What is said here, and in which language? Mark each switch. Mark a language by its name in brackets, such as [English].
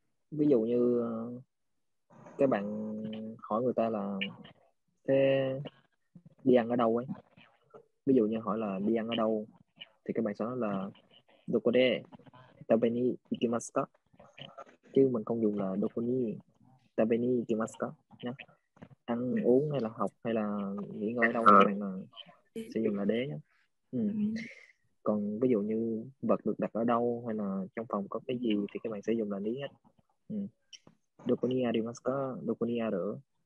[Vietnamese] Ví dụ như các bạn hỏi người ta là sẽ đi ăn ở đâu ấy, ví dụ như hỏi là đi ăn ở đâu thì các bạn sẽ nói là [Japanese] どこで食べに行きますか? [Vietnamese] chứ mình không dùng là [Japanese] どこに食べに行きますか? [Vietnamese] nhá. Ăn uống hay là học hay là nghỉ ngơi đâu thì bạn là sử dụng là đế nhá. Còn ví dụ như vật được đặt ở đâu hay là trong phòng có cái gì thì các bạn sử dụng là lý hết. [Japanese] どこにありますか?どこにある?